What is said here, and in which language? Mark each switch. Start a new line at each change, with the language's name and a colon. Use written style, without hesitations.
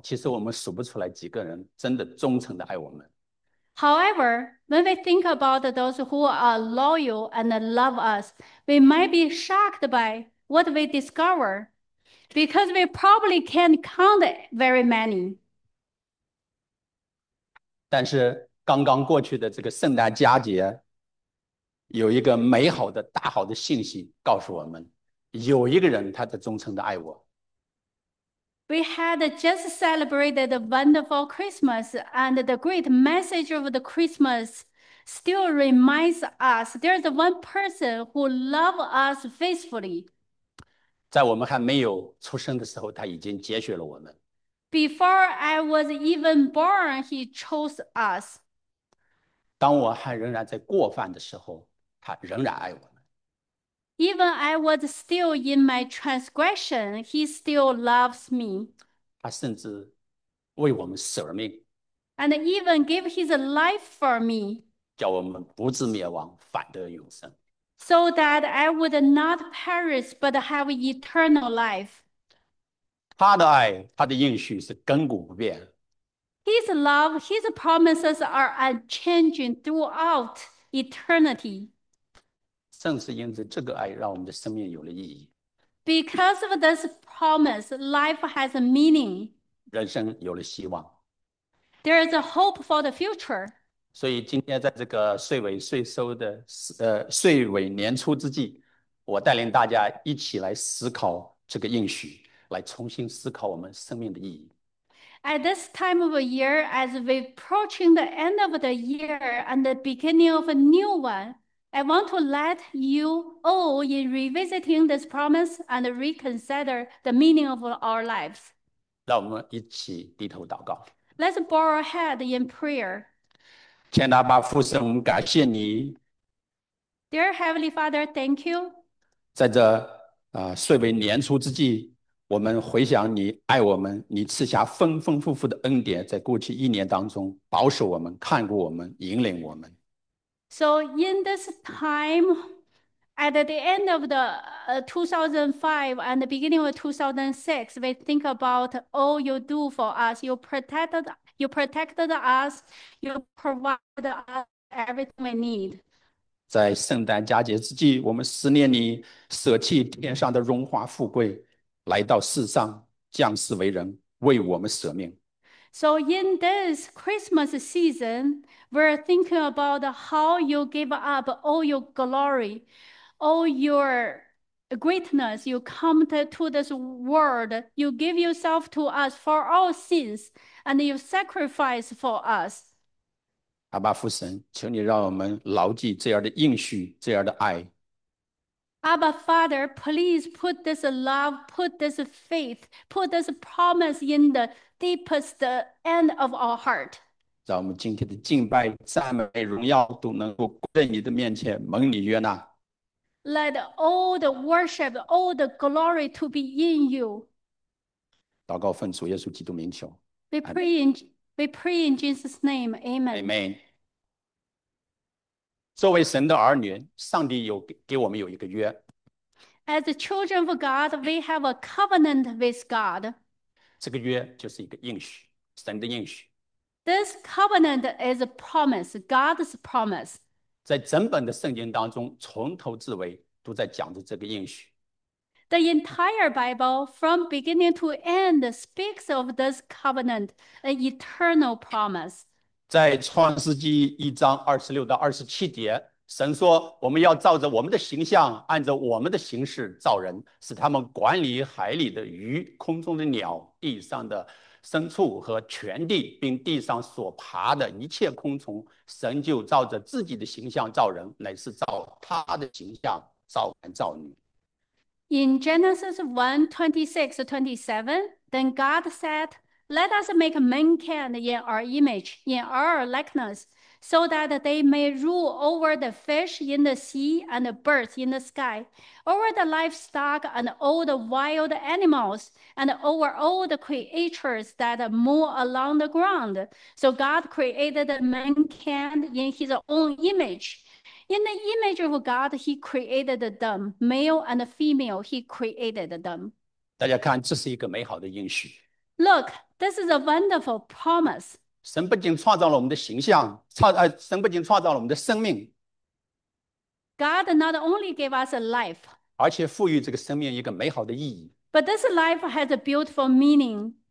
Chinese: 其实我们数不出来几个人真的忠诚的爱我们。
English: However, when we think about those who are loyal and love us, we might be shocked by what we discover, because we probably can't count very many.
Chinese: 但是刚刚过去的这个圣诞佳节，有一个美好的大好的信息告诉我们，有一个人他的忠诚的爱我。
English: We had just celebrated a wonderful Christmas, and the great message of the Christmas still reminds us there's one person who loves us faithfully.
Chinese: 在我们还没有出生的时候，他已经拣选了我们。
English: Before I was even born, he chose us.
Chinese: 当我还仍然在过犯的时候，他仍然爱我们。
English: Even I was still in my transgression, he still loves me.
Chinese: 他甚至为我们舍命，
English: And even gave his life for me.
Chinese: 叫我们不至灭亡，反得永生。
English: So that I would not perish but have eternal life.
Chinese: 他的爱，他的应许是亘古不变。
English: His love, his promises are unchanging throughout eternity.
Chinese: 正是因着这个爱，让我们的生命有了意义，
English: Because of this promise, life has a meaning.
Chinese: 人生有了希望。
English: There is a hope for the future.
Chinese: 所以今天在这个岁尾岁收的岁尾年初之际，我带领大家一起来思考这个应许，来重新思考我们生命的意义。
English: At this time of year, as we're approaching the end of the year and the beginning of a new one, I want to let you all in revisiting this promise and reconsider the meaning of our lives.
Chinese: 让我们一起低头祷告。
English: Let's bow our head in prayer.
Chinese: 天父吧，父神，我们感谢你，
English: Dear Heavenly Father, thank you.
Chinese: 在这岁尾年初之际，我们回想你爱我们，你赐下丰丰富富的恩典，在过去一年当中保守我们、看顾我们、引领我们。
English: So in this time, at the end of the 2005 and the beginning of 2006, we think about all you do for us. You protected us. You provided us everything we need.
Chinese: 在圣诞佳节之际，我们思念你，舍弃天上的荣华富贵，来到世上，降世为人，为我们舍命。
English: So in this Christmas season, we're thinking about how you give up all your glory, all your greatness. You come to this world, you give yourself to us for our sins, and you sacrifice for us.
Chinese: 阿爸父神，求你让我们牢记这样的应许，这样的爱。
English: Abba Father, please put this love, put this faith, put this promise in the deepest end of our heart.
Chinese: 让我们今天的敬拜、赞美、荣耀都能够归在你的面前，蒙你悦纳。
English: Let all the worship, all the glory to be in you.
Chinese: 祷告奉主耶稣基督名求，
English: We pray in Jesus' name, Amen.
Chinese: Amen。作为神的儿女，上帝有给我们有一个约。
English: As children of God, we have a covenant with God.
Chinese: 这个约就是一个应许，神的应许。
English: This covenant is a promise, God's promise.
Chinese: 在整本的圣经当中，从头至尾都在讲着这个应许。
English: The entire Bible, from beginning to end, speaks of this covenant, an eternal promise.
Chinese: 在创世纪1:26-27，神说：“我们要照着我们的形象，按照我们的形式造人，使他们管理海里的鱼、空中的鸟、地上的牲畜和全地，并地上所爬的一切昆虫。 ”神就照着自己的形象造人，乃是照他的形象造男造女。
English: In Genesis 1:26-27, then God said, "Let us make mankind in our image, in our likeness, so that they may rule over the fish in the sea and the birds in the sky, over the livestock and all the wild animals, and over all the creatures that move along the ground." So God created mankind in his own image. In the image of God, He created them, male and female, He created them.
Chinese: 大家看，这是一个美好的应许。
English: Look, this is a wonderful promise.
Chinese: 神不仅创造了我们的形象，神不仅创造了我们的生命，
English: God not only gave us a life,
Chinese: 而且赋予这个生命一个美好的意义。
English: but this life has a beautiful meaning.